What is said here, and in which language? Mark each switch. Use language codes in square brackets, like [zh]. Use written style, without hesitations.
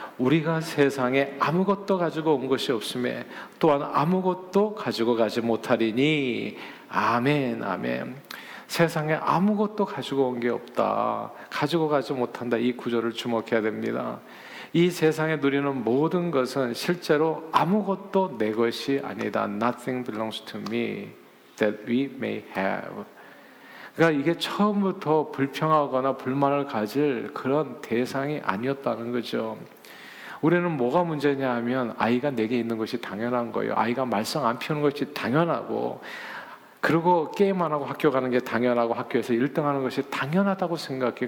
[ko] 우리가 세상에 아무것도 가지고 온 것이 없음에 또한 아무것도 가지고 가지 못하리니. 아멘, 아멘. 세상에 아무것도 가지고 온 게 없다. 가지고 가지 못한다. 이 구절을 주목해야 됩니다. 이 세상에 누리는 모든 것은 실제로 아무것도 내 것이 아니다. [en] Nothing belongs to me that we may have. [ko] 그러니까 이게 처음부터 불평하거나 불만을 가질 그런 대상이 아니었다는 거죠. 우리는 뭐가 문제냐 하면 아이가 내게 있는 것이 당연한 거예요. 아이가 말썽 안 피우는 것이 당연하고 그리고 게임 안 하고 학교 가는 게 당연하고 학교에서 1등 하는 것이 당연하다고 생각해.